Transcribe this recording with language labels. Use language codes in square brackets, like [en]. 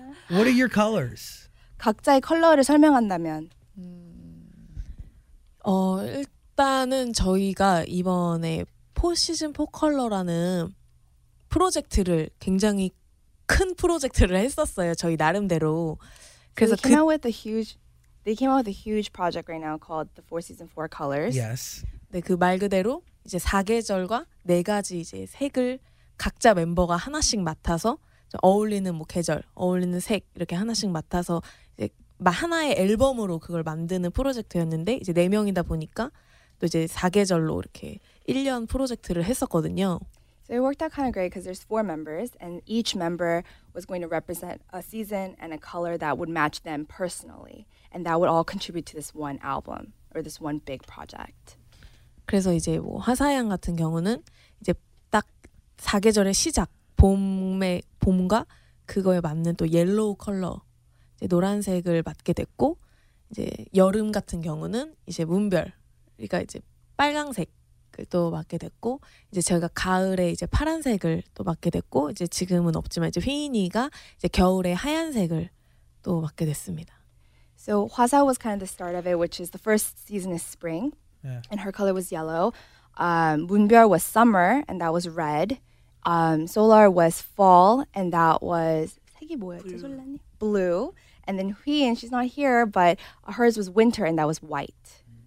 [en] What are your colors? [ko] 각자의 컬러를 설명한다면 일단은 저희가 이번에 4시즌 4컬러라는 프로젝트를 굉장히 큰 프로젝트를 했었어요. 저희 나름대로. [en] 그래서 so came out with a huge They came out with a huge project right now called the Four Seasons, Four Colors. Yes. [ko] 네, 그 말 그대로 이제 사계절과 네 가지 이제 색을 각자 멤버가 하나씩 맡아서 어울리는 뭐 계절, 어울리는 색 이렇게 하나씩 맡아서 이제 하나의 앨범으로 그걸 만드는 프로젝트였는데 이제 네 명이다 보니까 또 이제 사계절로 이렇게 1년 프로젝트를 했었거든요. [en] So it worked out kind of great because there's four members and each member was going to represent a season and a color that would match them personally. And that would all contribute to this one album or this one big project. [ko] 그래서 이제 뭐 화사양 같은 경우는 이제 딱 사계절의 시작, 봄의 봄과 그거에 맞는 또 옐로우 컬러, 이제 노란색을 맡게 됐고 이제 여름 같은 경우는 이제 문별, 그러니까 이제 빨강색 또 맡게 됐고 이제 제가 가을에 이제 파란색을 또 맡게 됐고 이제 지금은 없지만 이제 휘인이가 이제 겨울에 하얀색을 또 맡게 됐습니다. [en] So Hwasa was kind of the start of it, which is the first season is spring, yeah. And her color was yellow. Moonbyul was summer, and that was red. Solar was fall, and that was [ko] 색이 뭐야? [en] 블루. Blue, And then Hui, and she's not here, but hers was winter, and that was white.